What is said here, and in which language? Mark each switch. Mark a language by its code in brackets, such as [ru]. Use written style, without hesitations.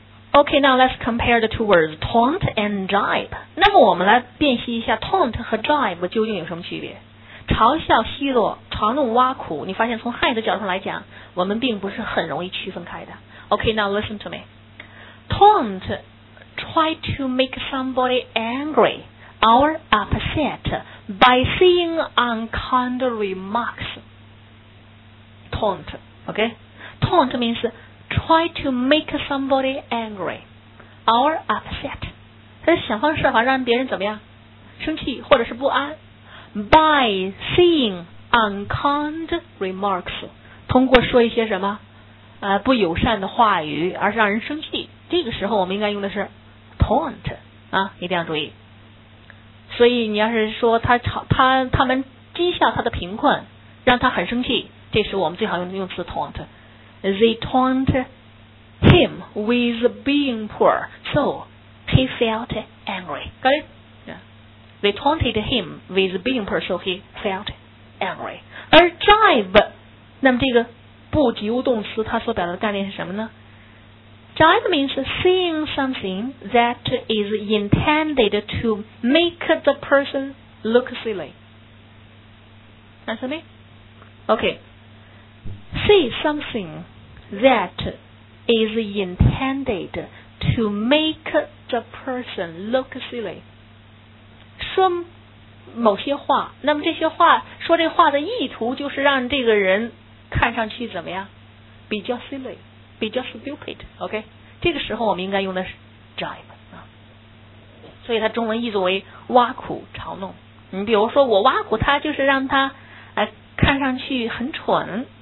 [en] Okay, now let's compare the two words, taunt and jibe. [zh] 那么我们来辨析一下 taunt 和 jibe 究竟有什么区别。嘲笑、奚落、嘲弄、挖苦，你发现从汉语的角度上来讲，我们并不是很容易区分开的。 [en] Okay, now listen to me. Taunt, try to make somebody angry or upset by saying unkind remarks. Taunt, okay? Taunt means... Try to make somebody angry or upset. [zh] 他是想方设法让别人怎么样生气或者是不安。 By saying unkind remarks, 通过说一些什么不友善的话语而是让人生气。这个时候我们应该用的是 taunt, 啊，一定要注意。所以你要是说他们讥笑他的贫困让他很生气，这时候我们最好用的用词 taunt。 [en] They taunt him with being poor, so he felt angry. Got it? Yeah. They taunted him with being poor, so he felt angry. [zh] 而 jibe, 那么这个不及物动词它所表达的概念是什么呢？ [en] Jibe means saying something that is intended to make the person look silly. Understand me? Okay. Say something. That is intended to make the person look silly. [zh] 说某些话，那么这些话说这话的意图就是让这个人看上去怎么样？比较 silly， 比较 stupid. OK， 这个时候我们应该用的是 jibe 啊。所以它中文译作为挖苦、嘲弄。你比如说我挖苦他，就是让他看上去很蠢。